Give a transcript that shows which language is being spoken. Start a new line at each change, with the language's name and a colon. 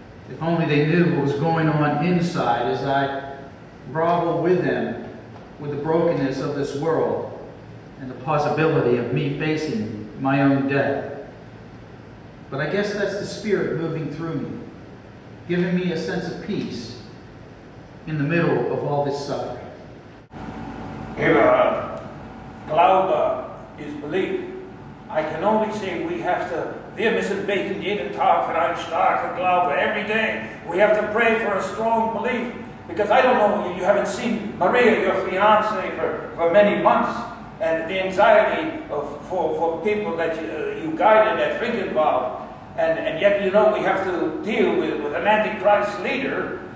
English: If only they knew what was going on inside as I grovel with them with the brokenness of this world and the possibility of me facing my own death. But I guess that's the Spirit moving through me, giving me a sense of peace in the middle of all this suffering. Eberhard, Glaube is belief. I can only say we have to,
German: wir müssen beten jeden Tag für einen starken Glaube,
English: every day. We have to pray for a strong belief. Because I don't know, you haven't seen Maria, your fiancée, for many months. And the anxiety of for people that you guided at Frankenwald. And yet, you know, we have to deal with an Antichrist leader.